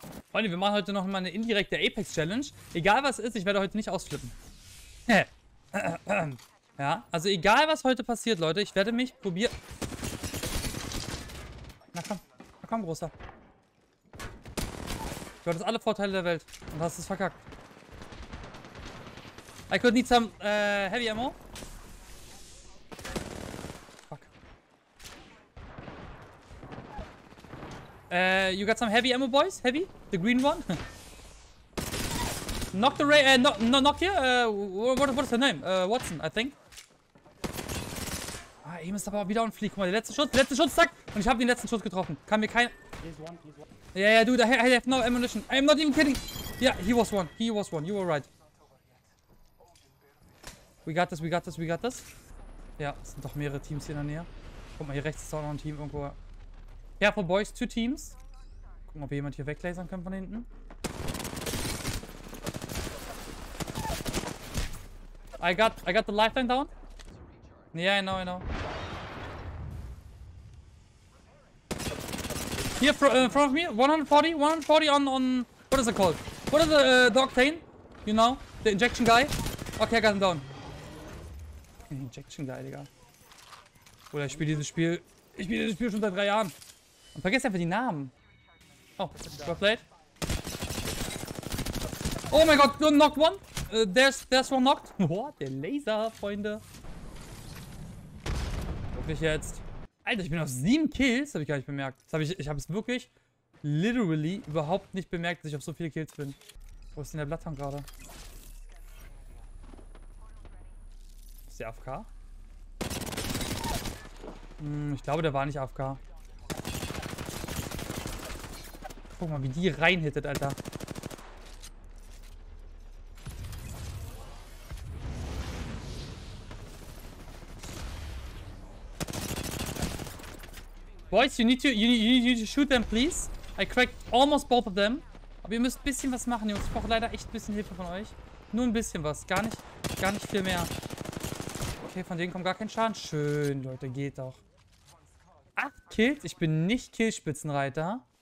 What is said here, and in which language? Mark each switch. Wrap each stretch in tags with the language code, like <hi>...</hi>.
<de>Freunde, wir machen heute noch mal eine indirekte Apex-Challenge. Egal was ist, ich werde heute nicht ausflippen. Ja, also egal was heute passiert, Leute, ich werde mich probieren. Na komm, Großer. Du hattest alle Vorteile der Welt und hast es verkackt.</de> <en>I could need some heavy ammo. Fuck. You got some heavy ammo, boys? Heavy? The green one? Knock the ray, knock here? What is her name? Watson, I think.</en> <de>Ah, Aim ist aber auch wieder on fleek. Guck mal, der letzte Schuss, zack! Und ich habe den letzten Schuss getroffen. Kann mir kein... Ja, ja,</de> <en>dude, I have no ammunition. I'm not even kidding. Yeah, he was one, you were right. We got this.</en> <de>Ja, es sind doch mehrere Teams hier in der Nähe. Guck mal, hier rechts ist auch noch ein Team irgendwo.</de> <en>Careful boys, two teams.</en> <de>Gucken, ob wir jemand hier weglasern können von hinten.</de> <en>I got the lifeline down. Yeah, I know. Here, in front of me, 140 on, what is it called? What is the octane? You know, the injection guy? Okay, I got him down. Okay, injection guy, Digga.</en> <de>Oder ich spiele dieses Spiel schon seit 3 Jahren. Und vergiss einfach die Namen.</de> <en>Oh, got played. Oh my god, knocked one. There's one knocked.</en> <de>Boah, der Laser, Freunde. Wirklich jetzt. Alter, ich bin auf 7 Kills, habe ich gar nicht bemerkt. Ich habe es wirklich, literally, überhaupt nicht bemerkt, dass ich auf so viele Kills bin. Wo ist denn der Bloodhound gerade? Ist der AFK? Ich glaube, der war nicht AFK. Guck mal, wie die reinhittet, Alter.</de> <en>Boys, you need to shoot them, please. I cracked almost both of them.</en> <de>Aber ihr müsst ein bisschen was machen, Jungs. Ich brauche leider echt ein bisschen Hilfe von euch. Nur ein bisschen was. Gar nicht viel mehr. Okay, von denen kommt gar kein Schaden. Schön, Leute. Geht doch. 8 Kills? Ich bin nicht Killspitzenreiter.</de>